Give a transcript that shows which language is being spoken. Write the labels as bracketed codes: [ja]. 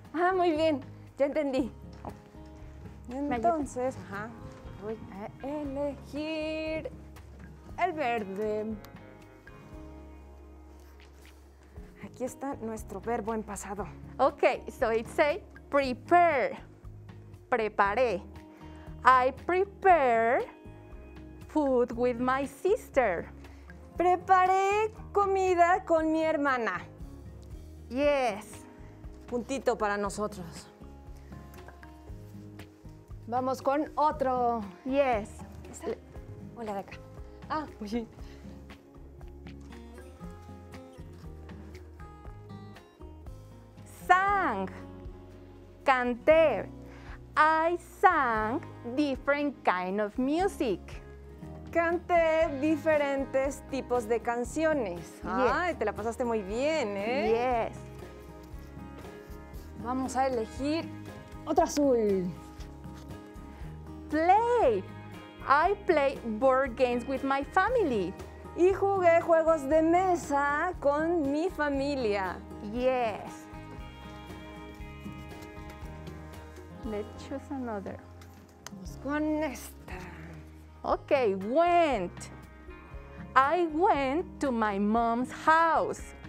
[es] Ah, muy bien. Ya entendí. Entonces, voy a elegir el verde. Aquí está nuestro verbo en pasado. [en] Ok, so it say prepare. [es] Preparé. [en] I prepare food with my sister. [es] Preparé comida con mi hermana. [en] Yes. [es] Puntito para nosotros. Vamos con otro. [en] Yes. [es] ¿Esta? Hola, de acá. Ah, oye. [en] Sang. [es] Canté. [en] I sang different kind of music. [es] Canté diferentes tipos de canciones. Yes. Ay, te la pasaste muy bien, ¿eh? [en] Yes. [es] Vamos a elegir otro azul. [en] Play. I play board games with my family. [es] Y jugué juegos de mesa con mi familia. [en] Yes. Let's choose another. [es] Vamos con esta. [en] Ok, went. I went to my mom's house.